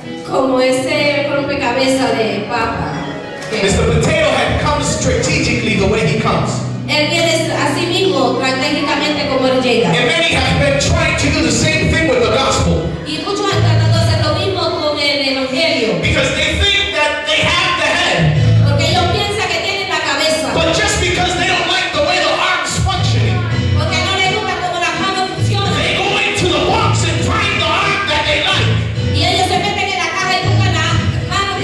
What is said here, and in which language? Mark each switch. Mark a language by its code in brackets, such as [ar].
[es] como ese rompecabezas de papa. [en] Mr. Potato Head comes strategically the way he comes. [es] Él viene así mismo, estratégicamente como él llega. [en] And many have been trying to do the same thing with the gospel. [es] Y muchos han tratado de hacer lo mismo con el evangelio. [en] Because they think that they have the head. [es] Porque ellos piensan que tienen la cabeza. [en] But just because they don't like the way the arm's functioning. [es] Porque no les gusta cómo la mano funciona. [en] They go into the box and find the arm that they like. [es] Y ellos se meten en la caja y buscan la mano que